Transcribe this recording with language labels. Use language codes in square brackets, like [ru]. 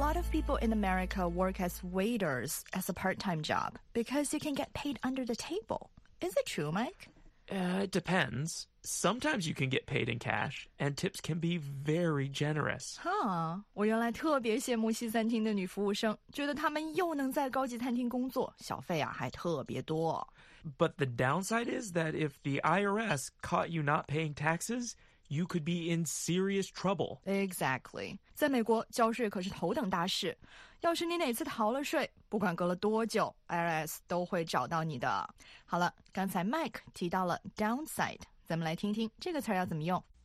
[en] People in America work as waiters as a part-time job because you can get paid under the table. Is it true, Mike? It depends. Sometimes you can get paid in cash, and tips can be very generous. Huh. [zh] 我原来特别羡慕西餐厅的女服务生，觉得她们又能在高级餐厅工作，小费啊还特别多。 [en] But the downside is that if the IRS caught you not paying taxes... You could be in serious trouble. Exactly. [zh] 在美国交税可是头等大事。要是你哪次逃了税，不管隔了多久， IRS 都会找到你的。好了，刚才 Mike 提到了 downside， 咱们来听听这个词要怎么用。